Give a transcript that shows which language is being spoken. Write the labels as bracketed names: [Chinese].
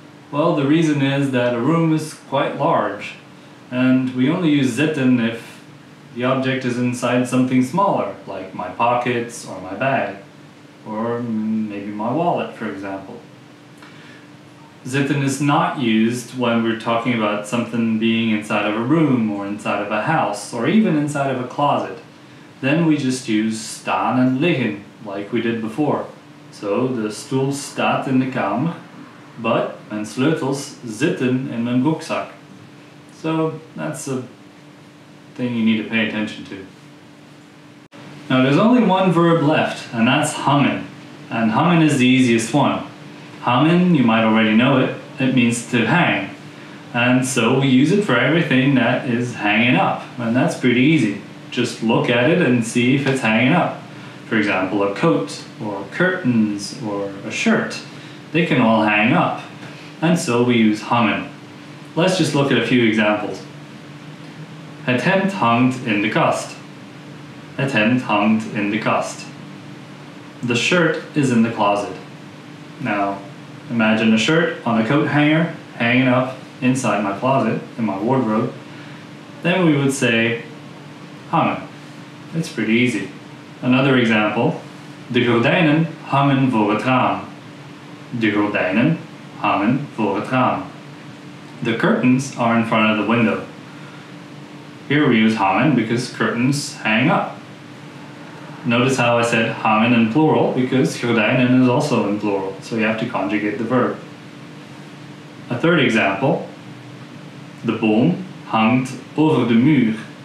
[English] Well, the reason is that a room is quite large, and we only use zitten if the object is inside something smaller, like my pockets or my bag, or maybe my wallet, for example. Zitten is not used when we're talking about something being inside of a room or inside of a house or even inside of a closet. Then we just use staan and liggen, like we did before. [Dutch] So the stoel staat in de kamer. [English] But [Dutch] mijn sleutels zitten in mijn broekzak. [English] So that's a thing you need to pay attention to. Now there's only one verb left, and that's hangen. And hangen is the easiest one. Hangen, you might already know it, it means to hang. And so we use it for everything that is hanging up, and that's pretty easy. Just look at it and see if it's hanging up. For example, a coat, or curtains, or a shirt. They can all hang up, and so we use hangen. Let's just look at a few examples. [Dutch] Het hemd hangt in de kast. Het hemd hangt in de kast. [English] The shirt is in the closet. Now, imagine a shirt on a coat hanger, hanging up inside my closet, in my wardrobe, then we would say, hangen. It's pretty easy. Another example, [Dutch] de gordijnen hangen voor het raam. De gordijnen hangen voor het raam. [English] The curtains are in front of the window. Here we use hangen because curtains hang up. Notice how I said hangen in plural because gordijnen is also in plural, so you have to conjugate the verb. A third example, [Dutch] de boom hangt over de muur.